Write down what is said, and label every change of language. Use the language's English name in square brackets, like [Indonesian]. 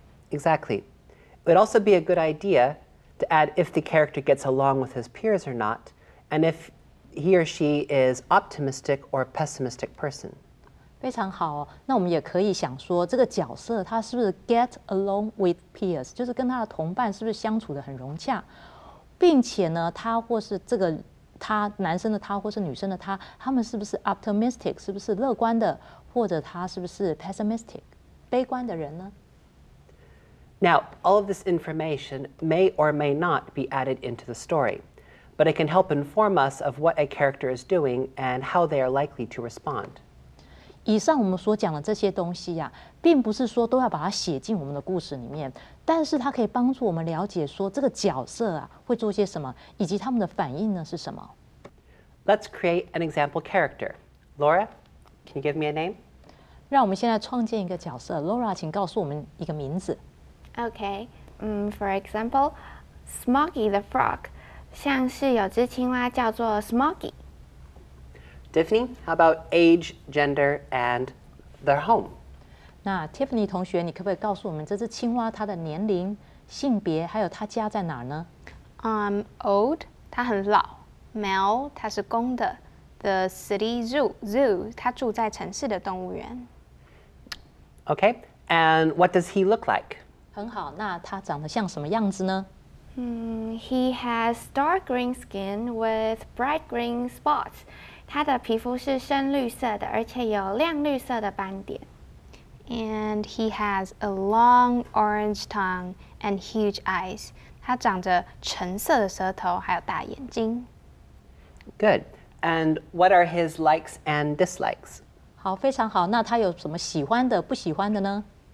[English] Exactly. It would also be a good idea to add if the character gets along with his peers or not, and if he or she is optimistic or pessimistic person. [Chinese] 非常好、哦、那我们也可以想说这个角色他是不是 [English] get along with peers [Chinese] 就是跟他的同伴是不是相处得很融洽并且呢他或是这个他男生的他或是女生的他他们是不是 optimistic 是不是乐观的或者他是不是 pessimistic 悲观的人呢 [English] Now all of this information may or may not be added into the story but it can help inform us of what a character is doing and how they are likely to respond [Chinese] 以上我们所讲的这些东西呀、啊、并不是说都要把它写进我们的故事里面但是它可以帮助我们了解说这个角色啊会做些什么以及他们的反应呢是什么 [English] Let's create an example character. Laura, can you give me a name? [Chinese] 让我们现在创建一个角色 Laura, 请告诉我们一个名字 [English] Okay, for example, Smoggy the Frog [Chinese] 像是有只青蛙叫做 Smoggy [English] Tiffany, how about age, gender, and their home? [Chinese] 那 Tiffany 同学，你可不可以告诉我们这只青蛙它的年龄、性别，还有它家在哪儿呢？Old, 它很老。Male, 它是公的。 [English] The city zoo, [Chinese] 它住在城市的动物园。 [English] Okay, and what does he look like? [Chinese] 很好，那它长得像什么样子呢？ [English] He has dark green skin with bright green spots. [Chinese] 他的皮肤是深绿色的，而且有亮绿色的斑点。 [English] And he has a long orange tongue and huge eyes. [Chinese] 他长着橙色的舌头，还有大眼睛。 [English] Good. And what are his likes and dislikes? [Chinese] 好，非常好。那他有什么喜欢的，不喜欢的呢？